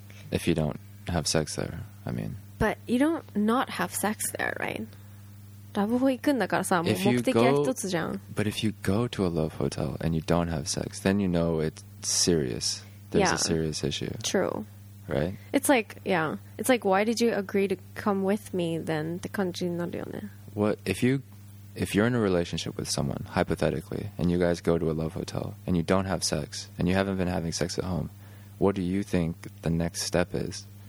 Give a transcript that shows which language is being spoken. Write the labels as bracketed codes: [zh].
[en] If you don't have sex there, I mean. But you don't not have sex there, right? [ja] ラブホ行くんだからさ、目的は一つじゃん。 [en] But if you go to a love hotel and you don't have sex, then you know it's serious. There's a serious issue. True. Right? It's like, yeah. It's like, why did you agree to come with me then? [ja] って感じになるよね。 [en] What, if you're in a relationship with someone, hypothetically, and you guys go to a love hotel and you don't have sex, and you haven't been having sex at home, what do you think the next step is?